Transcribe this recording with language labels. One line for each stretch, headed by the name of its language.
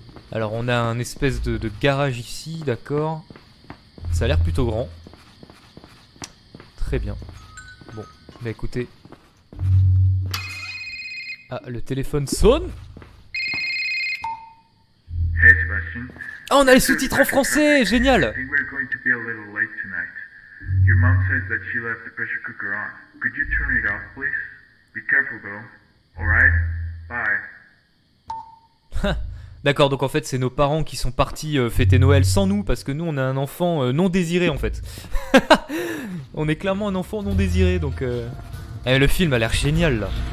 French: Alors on a un espèce de garage ici, d'accord. Ça a l'air plutôt grand. Très bien. Bon, bah écoutez. Ah, le téléphone sonne.
English: Hey Sebastian.
French: Oh, on a les sous-titres en français, génial.
English: I think we're going to be a little late tonight. Your mom says that she left the pressure cooker on. Could you turn it off, please? Be careful though. Alright? Bye.
French: D'accord, donc en fait c'est nos parents qui sont partis fêter Noël sans nous parce que nous on a un enfant non désiré en fait. On est clairement un enfant non désiré donc. Eh, le film a l'air génial là.